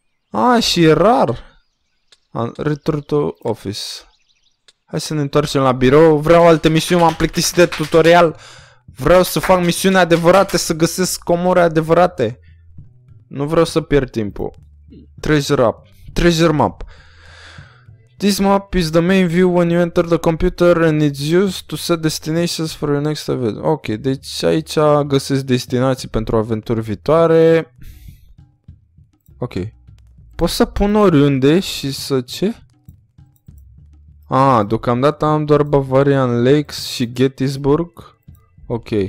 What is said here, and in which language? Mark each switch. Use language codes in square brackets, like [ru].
[ro] A, și e rar. [en] Return to office. [ro] Hai să ne întoarcem la birou. Vreau alte misiuni, m-am plictisit de tutorial. Vreau să fac misiuni adevărate, să găsesc comore adevărate. Nu vreau să pierd timpul. [en] Treasure map. This map is the main view when you enter the computer and it's used to set destinations for your next event. [ro] Ok, deci aici găsesc destinații pentru aventuri viitoare. Ok. Pot să pun oriunde și să ce? Ah, deocamdată am doar Bavarian Lakes și Gettysburg. Ok.